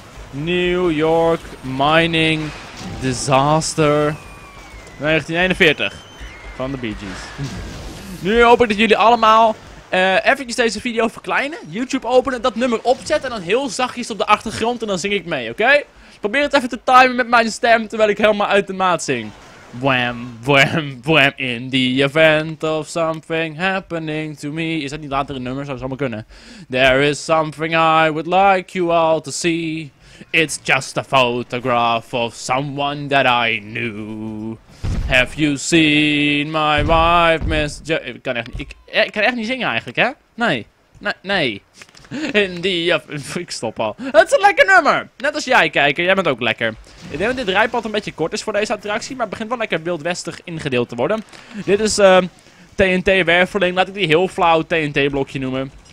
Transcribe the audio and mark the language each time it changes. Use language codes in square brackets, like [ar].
[nl] New York Mining Disaster 1941 van de Bee Gees. Nu hoop ik dat jullie allemaal eventjes deze video verkleinen, YouTube openen, dat nummer opzetten en dan heel zachtjes op de achtergrond en dan zing ik mee, oké? Probeer het even te timen met mijn stem terwijl ik helemaal uit de maat zing. [en] Wham, wham, wham, in the event of something happening to me. [nl] Is dat niet later een nummer? Zou het allemaal kunnen. [en] There is something I would like you all to see. It's just a photograph of someone that I knew. Have you seen my wife, Miss Jo... [nl] Ik kan echt niet zingen eigenlijk, hè? Nee. In die... Ik stop al. Het is een lekker nummer! Net als jij, kijker. Jij bent ook lekker. Ik denk dat dit rijpad een beetje kort is voor deze attractie, maar het begint wel lekker wildwestig ingedeeld te worden. Dit is TNT Werveling. Laat ik die heel flauw TNT-blokje noemen.